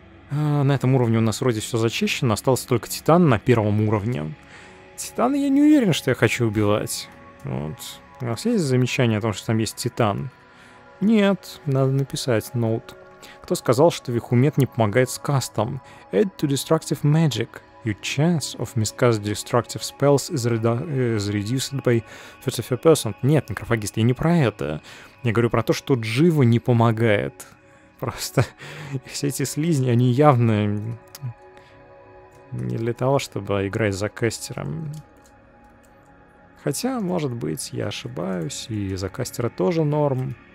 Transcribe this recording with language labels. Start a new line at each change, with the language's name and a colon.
Russian: На этом уровне у нас вроде все зачищено. Остался только титан на первом уровне. Титана я не уверен, что я хочу убивать. Вот. У нас есть замечание о том, что там есть титан? Нет, надо написать ноут. Кто сказал, что Вихумет не помогает с кастом?
English: Add to destructive magic. Your chance of miscast destructive spells is reduced by 35%.
Russian: Нет, некрофагист, я не про это. Я говорю про то, что Дживу не помогает. Просто все эти слизни, они явно не для того, чтобы играть за кастером. Хотя, может быть, я ошибаюсь, и за кастера тоже норм.